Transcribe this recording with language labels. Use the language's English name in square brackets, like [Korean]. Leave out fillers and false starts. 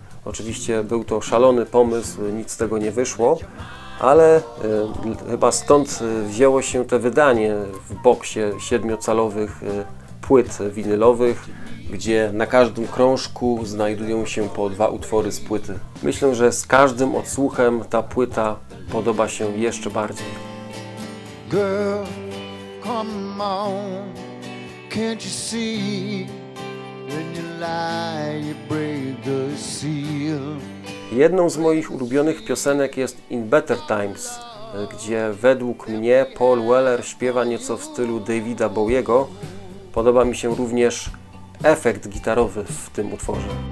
[Polish] Oczywiście był to szalony pomysł, nic z tego nie wyszło, ale chyba stąd wzięło się to wydanie w boksie 7-calowych płyt winylowych, gdzie na każdym krążku znajdują się po 2 utwory z płyty. Myślę, że z każdym odsłuchem ta płyta podoba się jeszcze bardziej. [English] Girl, come on, can't you see when you lie, you break the seal? [Polish] Jedną z moich ulubionych piosenek jest In Better Times, gdzie według mnie Paul Weller śpiewa nieco w stylu Davida Bowiego. Podoba mi się również efekt gitarowy w tym utworze.